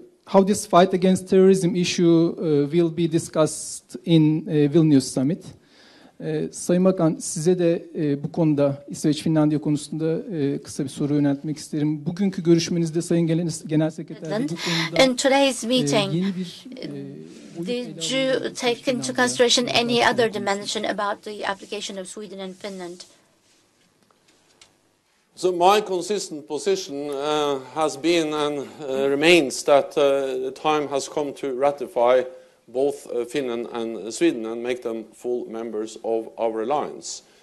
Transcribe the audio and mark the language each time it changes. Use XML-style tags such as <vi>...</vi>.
<en>How this fight against terrorism issue will be discussed in Vilnius summit?</en> <tr>Sayın Bakan, size de bu konuda İsveç-Finlandiya konusunda kısa bir soru yöneltmek isterim. Bugünkü görüşmenizde Sayın Genel Sekreter bu konuda yeni bir</tr> <en>did you take into consideration any other dimension about the application of Sweden and Finland? So my consistent position has been and remains that the time has come to ratify both Finland and Sweden and make them full members of our alliance.</en>